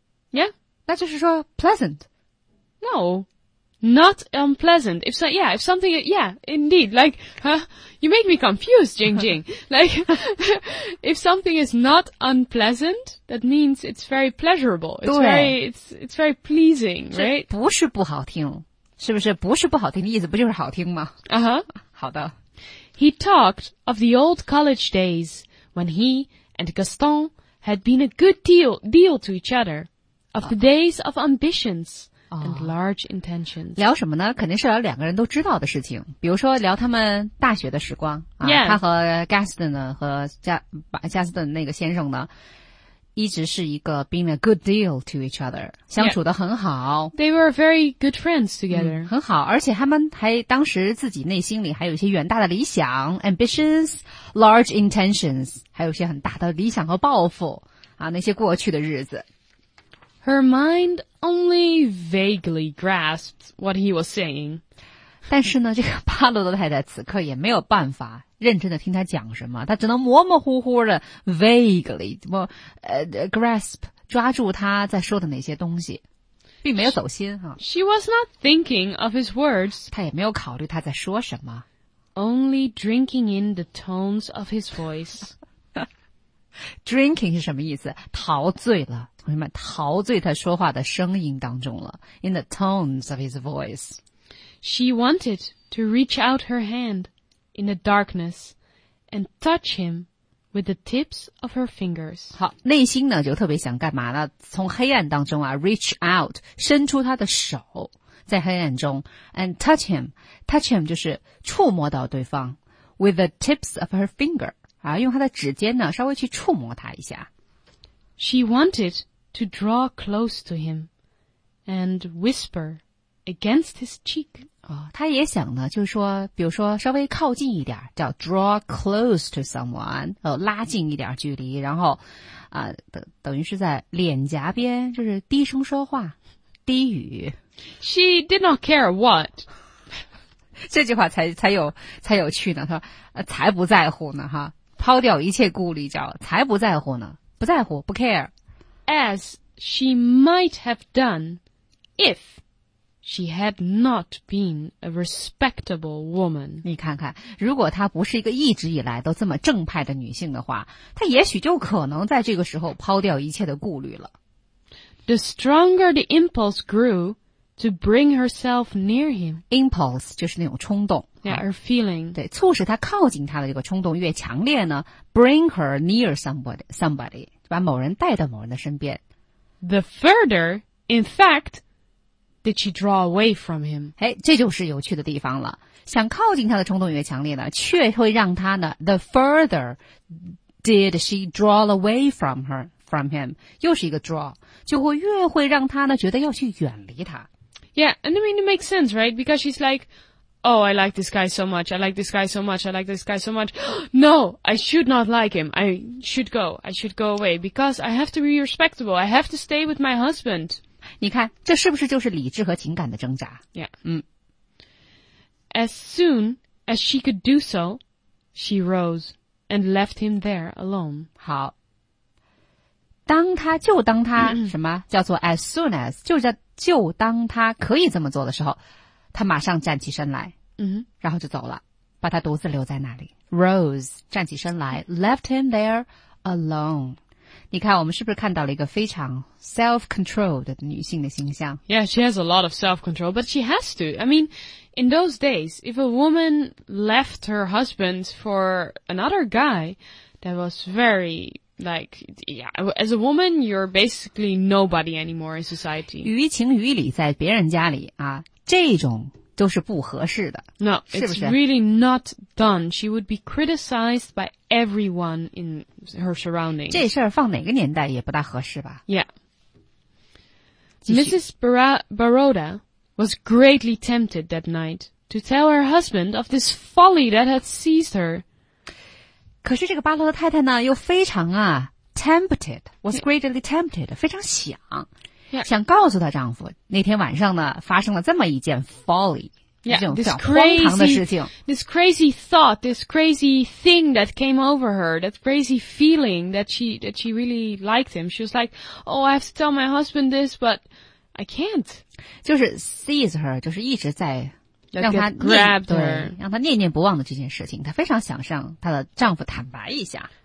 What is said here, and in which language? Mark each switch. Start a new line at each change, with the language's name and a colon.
English: Yeah?
Chinese: 那就是说 pleasant.
English: No. Not unpleasant. If something, yeah, indeed, like, you make me confused, Jing Jing. like, if something is not unpleasant, that means it's very pleasurable. It's very pleasing, right?
Chinese: 不是不好听，是不是？不是不好听的意思，不就是好听吗？ Uh-huh. 好的。
English: He talked of the old college days when he and Gaston had been a good deal to each other, of the days of ambitions. and large intentions.
Chinese: 聊什么呢？肯定是聊两个人都知道的事情，比如说聊他们大学的时光啊。
English: Yeah.
Chinese: 他和 Gaston 呢，和Gaston 那个先生呢，一直是一个
English: being a good deal to each other，
Chinese: 相处得很好。
English: Yeah. They were very good friends together.、
Chinese: 很好，而且他们还当时自己内心里还有一些远大的理想 ，
English: ambitions, large intentions，
Chinese: 还有一些很大的理想和抱负啊，那些过去的日子。
English: Her mind only vaguely grasped what he was saying.
Chinese: 但是呢，这个巴罗的太太此刻也没有办法认真地听他讲什么，他只能模模糊糊的
English: vaguely, grasp,
Chinese: 抓住他在说的哪些东西，并没有走心。
English: She was not thinking of his words.
Chinese: 他也没有考虑他在说什么。
English: Only drinking in the tones of his voice.
Chinese: Drinking 是什么意思？陶醉了。同学们，陶醉他说话的声音当中了 ，
English: in the tones of his voice. She wanted to reach out her hand in the darkness and touch him with the tips of her fingers.
Chinese: 好，内心呢就特别想干嘛呢？从黑暗当中啊 ，
English: reach out，
Chinese: 伸出他的手，在黑暗中 ，
English: and touch him. Touch him
Chinese: 就是触摸到对方 ，
English: with the tips of her finger
Chinese: 啊，用他的指尖呢稍微去触摸他一下。
English: She wanted to draw close to him and whisper against his cheek.
Chinese: 她也想呢，就是说，比如说稍微靠近一点，叫
English: draw close to someone,
Chinese: 拉近一点距离，然后等于是在脸颊边，就是低声说话，低语。
English: She did not care what.
Chinese: 这句话才有趣呢，她说才不在乎呢，哈，抛掉一切顾虑，叫才不在乎呢。不在乎，不 care.
English: As she might have done if she had not been a respectable woman.
Chinese: 你看看，如果她不是一个一直以来都这么正派的女性的话，她也许就可能在这个时候抛掉一切的顾虑了。
English: The stronger the impulse grew to bring herself near him.
Chinese: Impulse 就是那种冲动。
English: Yeah, her feeling.
Chinese: 对，促使他靠近他的这个冲动越强烈呢 ,
English: bring her near somebody,
Chinese: 把某人带到某人的身边。
English: The further, in fact, did she draw away from him.
Chinese: 诶，这就是有趣的地方了。想靠近他的冲动越强烈呢，却会让他呢 ,
English: the further did she draw away from him,
Chinese: 又是一个 draw, 就会越会让他呢觉得要去远离他。
English: Yeah, and I mean, it makes sense, right? Because she's like,Oh, I like this guy so much. I like this guy so much. I like this guy so much. No, I should not like him. I should go. I should go away because I have to be respectable. I have to stay with my husband.
Chinese: 你看，这是不是就是理智和情感的挣扎？
English: Yeah. 嗯。 As soon as she could do so, she rose and left him there alone.
Chinese: 好。当他就当他、什么叫做
English: as soon as
Chinese: 就当他可以这么做的时候。他马上站起身来，然后就走了，把他独自留在那里。 Rose 站起身来 ，
English: left him there alone。
Chinese: 你看，我们是不是看到了一个非常 self-controlled 的女性的形象
English: ？Yeah, she has a lot of self-control, but she has to. I mean, in those days, if a woman left her husband for another guy, that was very like, yeah. As a woman, you're basically nobody anymore in society.
Chinese: 于情于理，在别人家里啊。这种都是不合适的。
English: No,
Chinese: 是不是
English: it's really not done. She would be criticized by everyone in her surroundings.
Chinese: 这事儿放哪个年代也不大合适吧。
English: Yeah. Mrs. Baroda was greatly tempted that night to tell her husband of this folly that had seized her.
Chinese: 可是这个巴罗的太太呢又非常啊 tempted,
English: was greatly tempted,
Chinese: 非常想。
English: Yeah.
Chinese: 想告诉她丈夫那天晚上呢发生了这么一件 folly,
English: yeah,
Chinese: 这种比较荒唐的事情。
English: This crazy thought, this crazy thing that came over her, that crazy feeling that she really liked him. She was like, oh, I have to tell my husband this, but I can't.
Chinese: 就是
English: seize her,
Chinese: 就是一直在让她
English: grabbed her.
Chinese: 让她念念不忘的这件事情。她非常想让她的丈夫坦白一下。